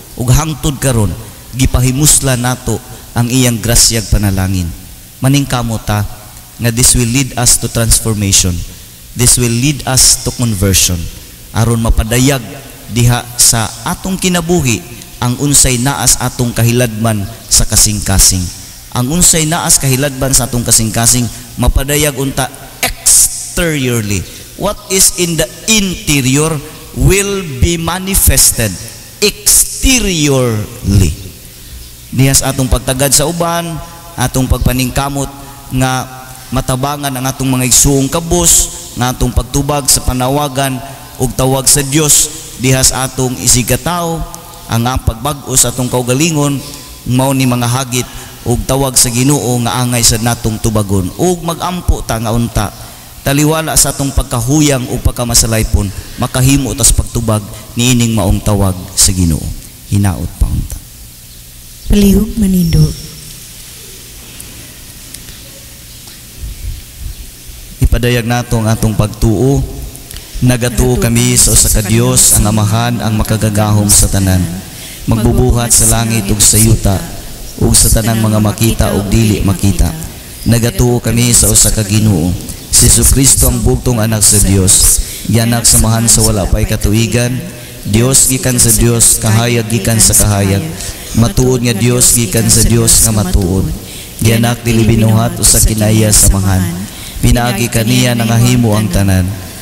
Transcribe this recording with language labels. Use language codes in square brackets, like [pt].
[ceb] O hangtod karon gipahimusla nato ang iyang grasya at panalangin. Maningkamo ta na [en] this will lead us to transformation. This will lead us to conversion. [ceb] Aron mapadayag diha sa atong kinabuhi ang unsay naas atong kahiladman sa kasing-kasing. Ang unsay naas kahiladman sa atong kasing-kasing, mapadayag unta exteriorly. [en] What is in the interior will be manifested exteriorly. [ceb] Nias atong pagtagad sa uban, atong pagpaningkamot nga matabangan ang atong mga isuong kabos, nga atong pagtubag sa panawagan ug tawag sa Dios, dihas atong isigataw ang pagbag-o sa atong kaugalingon, mao ni mga hagit ug tawag sa Ginoo nga angay sa natong tubagon ug mag-ampo ta nga unta. Taliwala sa atong pagkahuyang o pagkamasalaypon, makahimo tas pagtubag niining maong tawag sa Ginoo. Hinaot pa unta. Palihog manindo. Ipadayag nato ang atong pagtuo. Nagatuo kami sa usa ka Dios, ang Amahan, ang makagagahom sa tanan. Magbubuhat sa langit ug sa yuta, ug sa tanang mga makita ug dili makita. Nagatuo kami sa usa ka Ginoo. Si Jesucristo ang bugtong anak sa Dios, yanak sa Amahan sa wala pay katuigan, Dios gikan sa Dios, kahayag gikan sa kahayag, matuod nga Dios gikan sa Dios nga matuod, yanak dili binuhat usa kinaiya sa Amahan. Pinaagi kaniya nang ahimo ang tanan.